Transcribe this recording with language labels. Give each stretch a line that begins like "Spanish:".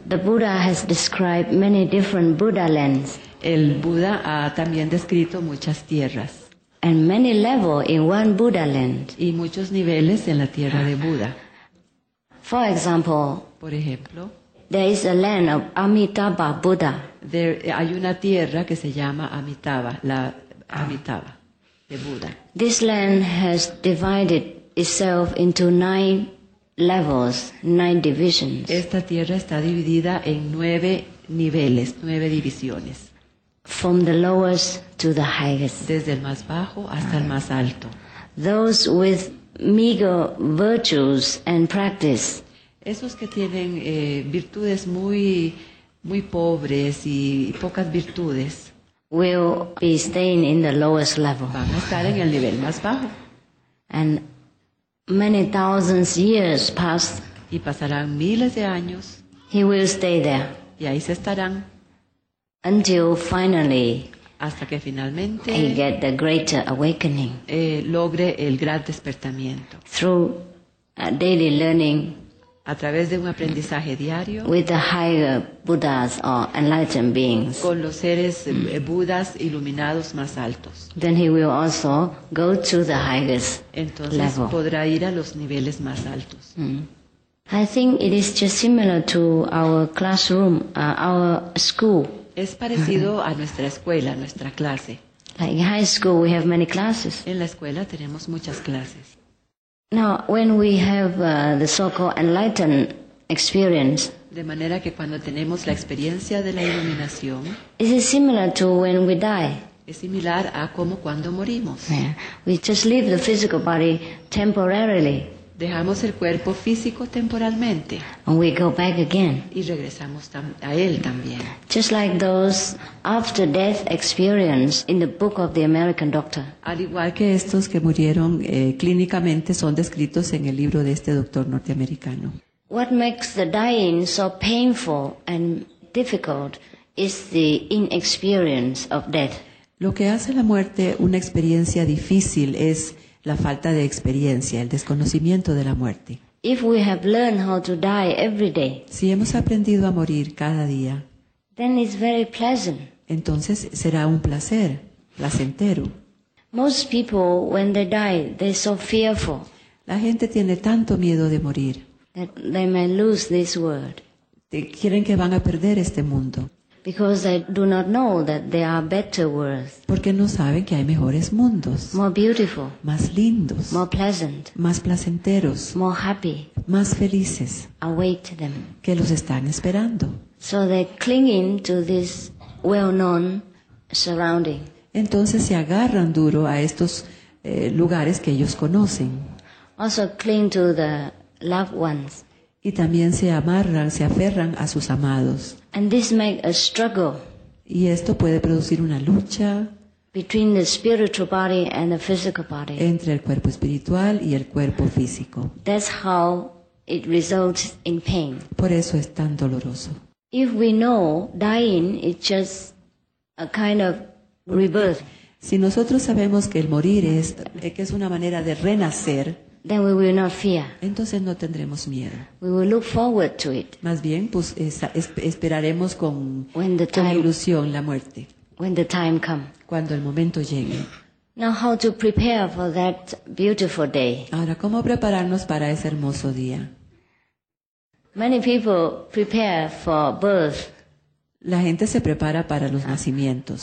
English: the Buddha has described many different Buddha lands.
Spanish: El Buda ha también descrito muchas tierras.
English: And many levels in one Buddha land.
Spanish: Y muchos niveles en la tierra de Buda.
English: For example,
Spanish: por ejemplo,
English: there is a land of Amitabha Buddha.
Spanish: Hay una tierra que se llama Amitabha, la Amitabha de Buda.
English: This land has divided itself into 9 levels, 9 divisions.
Spanish: Esta tierra está dividida en 9 niveles, 9 divisiones.
English: From the lowest to the highest.
Spanish: Desde el más bajo hasta el más alto.
English: Those with meager virtues and practice.
Spanish: Esos que tienen virtudes muy muy pobres y pocas virtudes.
English: Will be staying in the lowest level.
Spanish: Van a estar en el nivel más bajo.
English: And many thousands of years passed.
Spanish: Y pasarán miles de años.
English: He will stay there.
Spanish: Y ahí se estarán.
English: Until finally.
Spanish: Hasta que finalmente.
English: He get the greater awakening.
Spanish: Logre el gran despertamiento.
English: Through a daily learning.
Spanish: A través de un aprendizaje diario.
English: With the higher Buddhas or enlightened beings.
Spanish: Con los seres Budas iluminados más altos.
English: Then he will also go to the highest
Spanish: entonces
English: level.
Spanish: Entonces podrá ir a los niveles más altos.
English: I think it is just similar to our classroom, our school.
Spanish: Es parecido a nuestra escuela, nuestra clase.
English: Like in high school we have many classes.
Spanish: En la escuela tenemos muchas clases.
English: Now, when we have the so-called enlightened experience,
Spanish: de manera que cuando tenemos la experiencia de la iluminación,
English: it is similar to when we die.
Spanish: Es similar a como cuando morimos.
English: Yeah. We just leave the physical body temporarily.
Spanish: Dejamos el cuerpo físico temporalmente.
English: And we go back again.
Spanish: Y regresamos a él también.
English: Just like those after-death experience in the book of the American doctor.
Spanish: Al igual que estos que murieron clínicamente son descritos en el libro de este doctor norteamericano.
English: What makes the dying so painful and difficult is the inexperience of death.
Spanish: Lo que hace la muerte una experiencia difícil es la falta de experiencia, el desconocimiento de la muerte.
English: If we have learned how to die every day,
Spanish: si hemos aprendido a morir cada día,
English: then it's very pleasant.
Spanish: Entonces será un placer, placentero.
English: Most people, when they die, they're so fearful.
Spanish: La gente tiene tanto miedo de morir
English: that they may lose this world.
Spanish: Quieren que van a perder este mundo.
English: Because they do not know that there are better worlds.
Spanish: Porque no saben que hay mejores mundos.
English: More beautiful.
Spanish: Más lindos.
English: More pleasant.
Spanish: Más placenteros.
English: More happy.
Spanish: Más felices.
English: Await them.
Spanish: Que los están esperando.
English: So they cling to this well-known surrounding.
Spanish: Entonces se agarran duro a estos lugares que ellos conocen.
English: Also cling to the loved ones.
Spanish: Y también se amarran, se aferran a sus amados.
English: And this make a struggle.
Spanish: Y esto puede producir una lucha.
English: Between the spiritual body and the physical body.
Spanish: Entre el cuerpo espiritual y el cuerpo físico.
English: That's how it results in pain.
Spanish: Por eso es tan doloroso.
English: If we know dying is just a kind of rebirth.
Spanish: Si nosotros sabemos que el morir es que es una manera de renacer.
English: Then we will not fear.
Spanish: Entonces no tendremos miedo.
English: We will look forward to it.
Spanish: Más bien, pues esperaremos con ilusión la muerte.
English: When the time come.
Spanish: Cuando el momento llegue.
English: Now how to prepare for that beautiful day?
Spanish: Ahora, ¿cómo prepararnos para ese hermoso día?
English: Many people prepare for birth.
Spanish: La gente se prepara para los nacimientos.